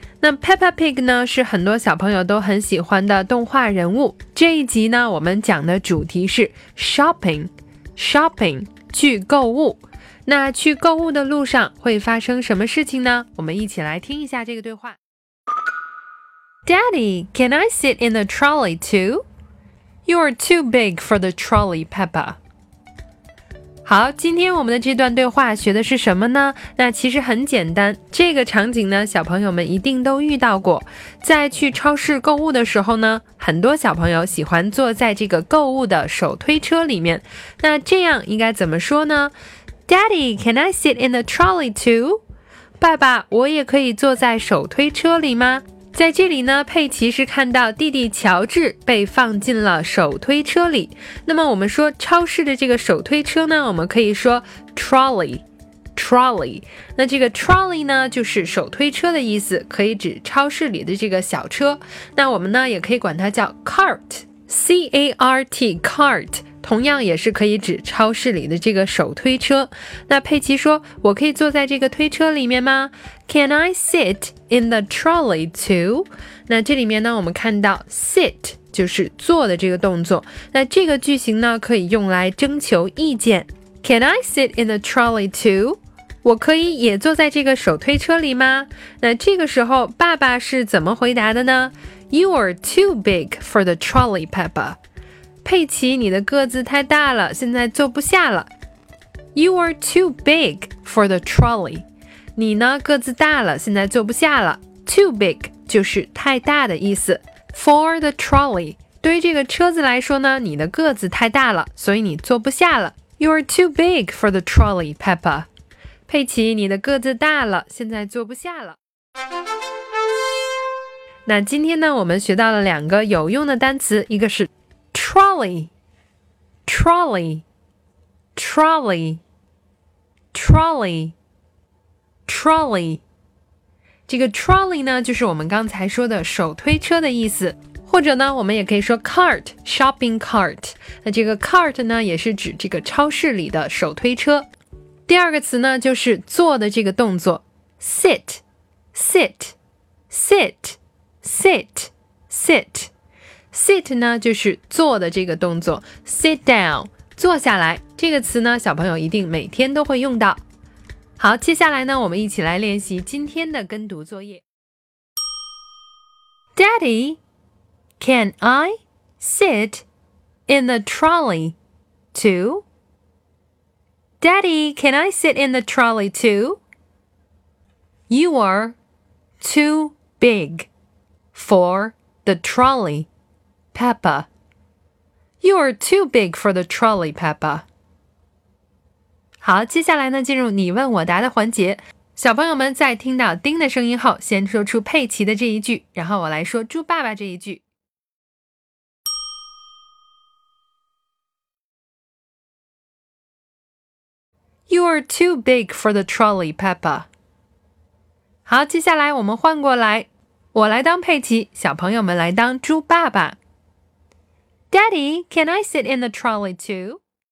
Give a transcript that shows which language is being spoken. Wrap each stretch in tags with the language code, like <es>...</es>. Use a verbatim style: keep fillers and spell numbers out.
<zh>那 Peppa Pig 呢是很多小朋友都很喜欢的动画人物。这一集呢我们讲的主题是 shopping shopping 去购物。那去购物的路上会发生什么事情呢？我们一起来听一下这个对话。</zh> <en>Daddy, can I sit in the trolley too? You're too big for the trolley, Peppa.</en> <zh>好，今天我们的这段对话学的是什么呢？那其实很简单，这个场景呢，小朋友们一定都遇到过。在去超市购物的时候呢，很多小朋友喜欢坐在这个购物的手推车里面。那这样应该怎么说呢？</zh> <en>Daddy, can I sit in the trolley too?</en> <zh>爸爸，我也可以坐在手推车里吗？在这里呢，佩奇是看到弟弟乔治被放进了手推车里。那么我们说超市的这个手推车呢，我们可以说 trolley trolley。那这个 trolley 呢就是手推车的意思，可以指超市里的这个小车。那我们呢也可以管它叫 cart C A R T cart， 同样也是可以指超市里的这个手推车。那佩奇说，我可以坐在这个推车里面吗？</zh> <en>Can I sit in the trolley too?</en> <zh>那这里面呢我们看到 sit 就是坐的这个动作。那这个句型呢可以用来征求意见。</zh> <en>Can I sit in the trolley too?</en> <zh>我可以也坐在这个手推车里吗？那这个时候爸爸是怎么回答的呢？</zh> <en>You are too big for the trolley, Peppa.</en> <zh>佩奇，你的个子太大了，现在坐不下了。</zh> <en>You are too big for the trolley.</en> <zh>你呢个子大了，现在坐不下了。</zh> <en>Too big</en> <zh>就是太大的意思。</zh> <en>For the trolley</en> <zh>对于这个车子来说呢，你的个子太大了，所以你坐不下了。</zh> <en>You're too big for the trolley, Peppa.</en> <zh>佩奇，你的个子大了，现在坐不下了。那今天呢我们学到了两个有用的单词，一个是 trolley trolley trolley trolley trolley， 这个 trolley 呢就是我们刚才说的手推车的意思，或者呢我们也可以说 cart shopping cart。那这个 cart 呢也是指这个超市里的手推车。第二个词呢就是坐的这个动作 sit sit sit sit sit sit 呢就是坐的这个动作</zh> <en>sit down</en> <zh>坐下来。这个词呢小朋友一定每天都会用到。好，接下来呢我们一起来练习今天的跟读作业。</zh> <en>Daddy, can I sit in the trolley too? Daddy, can I sit in the trolley too? You are too big for the trolley, Peppa. You are too big for the trolley, Peppa.</en> <zh>好，接下来呢进入你问我答的环节。小朋友们在听到叮的声音后，先说出佩奇的这一句，然后我来说猪爸爸这一句。</zh> <en>You are too big for the trolley, Peppa.</en> <zh>好，接下来我们换过来，我来当佩奇，小朋友们来当猪爸爸。</zh> <en>Daddy, can I sit in the trolley too?</en>